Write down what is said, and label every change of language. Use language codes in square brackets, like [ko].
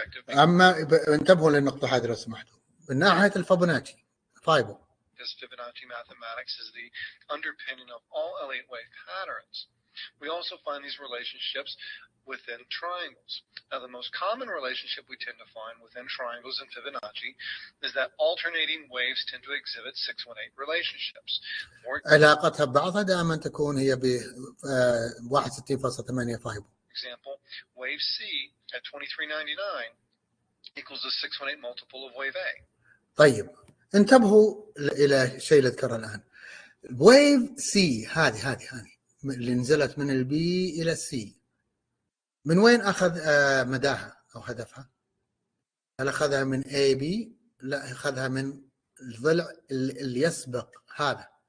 [ar] أما انتبهوا للنقطة هذه لو سمحتوا من ناحية الفيبوناتشي فايبو. [en] This Fibonacci mathematics is the underpinning of all Elliott wave patterns. We also find these relationships within triangles. Now, the most common relationship we tend to find within triangles in Fibonacci is that alternating waves tend to exhibit 618 relationships. [ar] علاقتها ببعضها دائما تكون هي ب 61.8 فايبو. [en] Example, wave C at 2399 equals a 618 multiple of wave A. [ar] طيب انتبهوا إلى شيء اللي ذكره الآن. Wave C هذه اللي نزلت من ال B إلى C من وين أخذ مداها أو هدفها؟ هل أخذها من A B؟ لا أخذها من الضلع اللي يسبق هذا